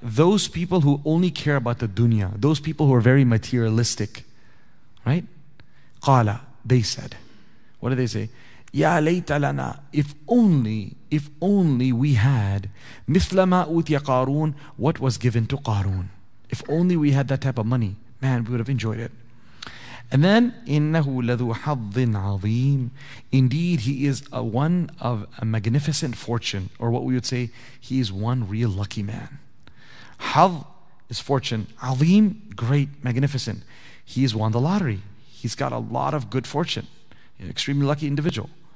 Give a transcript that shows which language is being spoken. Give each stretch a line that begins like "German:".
English: Those people who only care about the dunya, those people who are very materialistic, right? Qala, they said. What did they say? Ya layta lana, if only we had
Arabic: مثل ما أوتي قارون,
English: what was given to قارون. If only we had that type of money, man, we would have enjoyed it. And then
Arabic: إنه لذو حظ عظيم.
English: Indeed, he is a one of a magnificent fortune, or what we would say, he is one real lucky man. حظ is fortune. عظيم, great, magnificent. He has won the lottery. He's got a lot of good fortune. An extremely lucky individual.